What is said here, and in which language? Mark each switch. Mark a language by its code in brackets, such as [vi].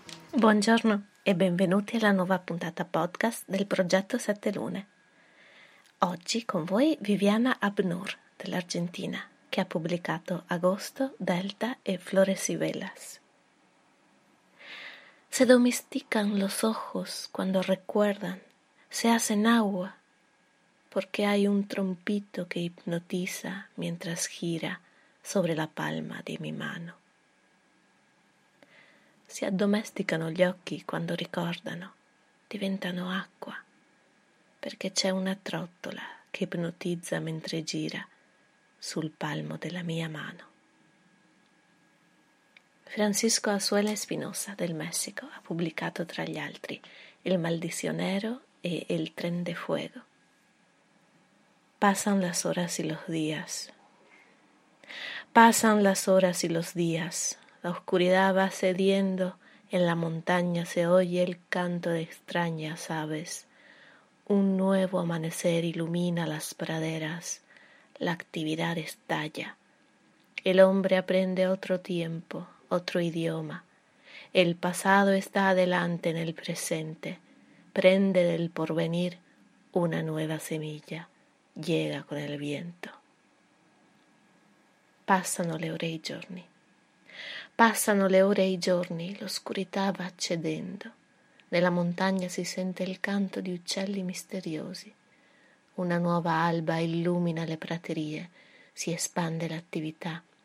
[it] Buongiorno e benvenuti alla nuova puntata podcast del progetto Sette Lune. Oggi con voi Viviana Abnur dell'Argentina, che ha pubblicato Agosto, Delta e Flores y Velas. [es] Se domestican los ojos cuando recuerdan, se hacen agua, porque hay un trompito que hipnotiza mientras gira sobre la palma de mi mano. [it] Si addomesticano gli occhi quando ricordano, diventano acqua, perché c'è una trottola che ipnotizza mentre gira sul palmo della mia mano. Francisco Azuela Espinosa del Messico ha pubblicato tra gli altri Il Maldicionero e El Tren de Fuego. [es] Pasan las horas y los días. Pasan las horas y los días. La oscuridad va cediendo, en la montaña se oye el canto de extrañas aves. Un nuevo amanecer ilumina las praderas, la actividad estalla. El hombre aprende otro tiempo, otro idioma. El pasado está adelante en el presente, prende del porvenir una nueva semilla, llega con el viento. [it] Pasano le ore e i giorni. Passano le ore e i giorni, l'oscurità va cedendo. Nella montagna si sente il canto di uccelli misteriosi. Una nuova alba illumina le praterie, si espande l'attività.